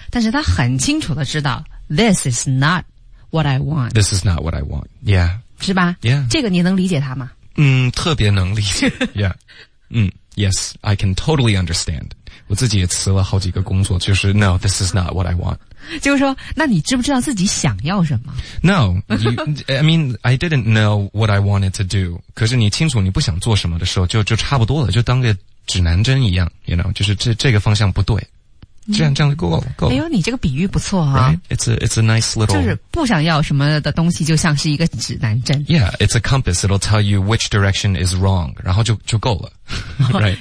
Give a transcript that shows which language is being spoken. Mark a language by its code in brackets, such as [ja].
[zh] 但是他很清楚的知道 ， [en] this is not what I want。 This is not what I want。 Yeah。 [zh] 是吧 [en] ？Yeah。 [zh] 这个你能理解他吗？特别能理解。 [en] Yeah。 Yes, I can totally understand. [zh] 我自己也辞了好几个工作，就是 [en] No, this is not what I want. [zh] 就是说，那你知不知道自己想要什么？ [en] No, I mean, I didn't know what I wanted to do. [zh] 可是你清楚你不想做什么的时候，就差不多了，就当个指南针一样， you know, 就是这个方向不对。这样就够了，够了。哎呦，你这个比喻不错啊。 [en] Right? It's a nice little. [zh] 就是不想要什么的东西，就像是一个指南针。 [en] Yeah, it's a compass. It'll tell you which direction is wrong. [zh] 然后就够了。 [en] Right.